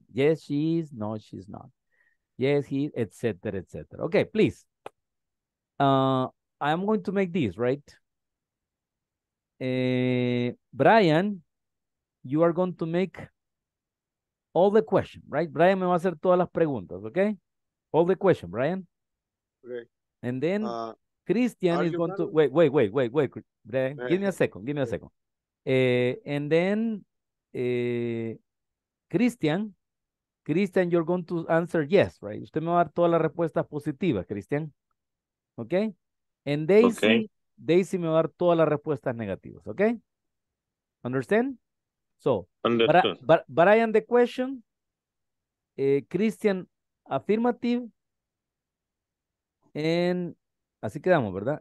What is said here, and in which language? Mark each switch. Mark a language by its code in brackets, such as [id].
[en] Yes, she is, no, she's not. Yes, he, et cetera, et cetera. Okay, please. I am going to make this, right? Brian, you are going to make all the questions, right? [es] Brian me va a hacer todas las preguntas, okay? [en] All the questions, Brian. Okay. And then Christian is going to... Wait, Brian. Man. Give me a second. And then Christian, you're going to answer yes, right? [es] Usted me va a dar todas las respuestas positivas, Christian. Okay? And Daisy, okay. Daisy me va a dar todas las respuestas negativas, okay? [en] Understand? So, Brian the question, Christian affirmative, and [es] así quedamos, ¿verdad?